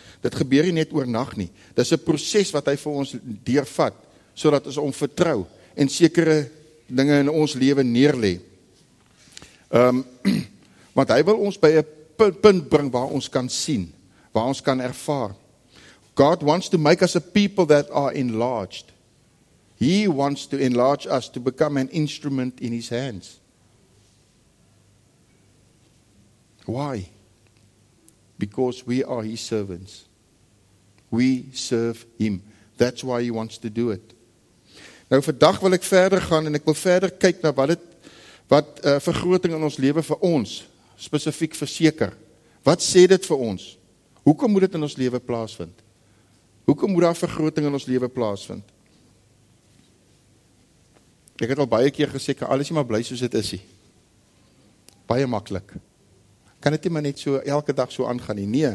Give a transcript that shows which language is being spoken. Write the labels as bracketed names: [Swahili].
[Afrikaans] Dit gebeur nie net oornag nie. Dit is 'n proses wat hy vir ons deurvat, sodat ons om vertrou en sekere dinge in ons lewe neerlê. Want hy wil ons by 'n punt bring waar ons kan sien, waar ons kan ervaar. [English] God wants to make us a people that are enlarged. He wants to enlarge us to become an instrument in his hands. Why? Because we are his servants. We serve him. That's why he wants to do it. [Afrikaans] Nou vandag wil ek verder gaan en ek wil verder kyk na wat vergroting in ons lewe vir ons spesifiek verseker. Wat sê dit vir ons? Hoekom moet dit in ons lewe plaasvind? Hoekom moet daar vergroting in ons lewe plaasvind? Ek het al baie keer gesê, kan alles nie maar bly soos dit is nie. Baie maklik. Kan dit nie maar net so elke dag so aangaan nie?